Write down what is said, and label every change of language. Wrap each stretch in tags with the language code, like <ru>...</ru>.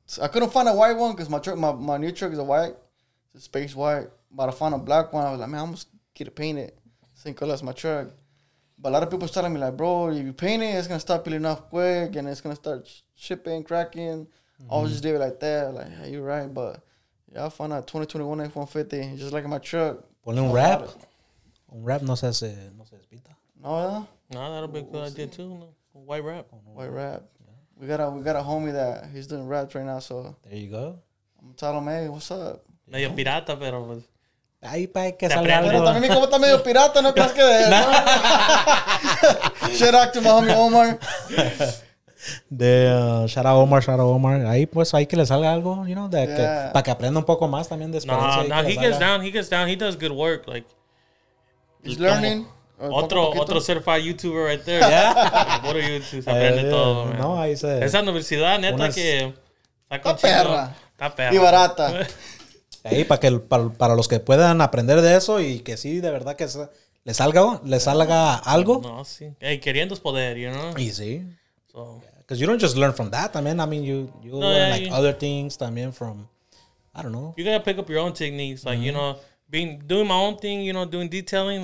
<en>I couldn't find a white one because my new truck is a white. Space white, but I found a black one. I was like, man, I'm just gonna paint it. Same color as my truck. But a lot of people started me like, bro, if you paint it, it's gonna start peeling off quick and it's gonna start shipping, cracking. Mm-hmm. I was just doing it like that. Like, yeah, you're right. But yeah, I found a 2021 F-150, just like my truck.</en> <es>Ponle un wrap. Un wrap no se hace, no se despinta.</es> <en>No, yeah. No, that'll be a good idea too. No. White wrap. White wrap. Yeah. We got a homie that he's doing wraps right now. So there you go. I'm telling him, hey, what's up?</en> <es>Medio pirata, pero pues. Ahí para que salga algo. Pero también mi compa está medio pirata, no creas que.</es> <en>No. Shout out to my homie Omar. Shout out Omar.</en> <es>Ahí pues hay que le salga algo,</es> <en>you know, yeah.</en> <es>Para que aprenda un poco más también de</es> <en>experiencia. No, he gets down. He does good work. Like, he's learning. Otro certified YouTuber right there. Yeah. What are you two?</en> <es>Se aprende todo,</es> <en>man.</en> <es>No, ahí se. Esa universidad, neta, que. Está con perra. Está perra. Y barata. Ahí para que para los que puedan aprender de eso y que sí de verdad que les salga algo. No, sí. Hey, queriendo es poder,</es> <en>you know.</en> <es>Y sí.</es> <en>So, because you don't just learn from that. I mean, you learn other things también from, I don't know. You gotta pick up your own techniques, like mm-hmm. you know, doing my own thing, you know, doing detailing.</en>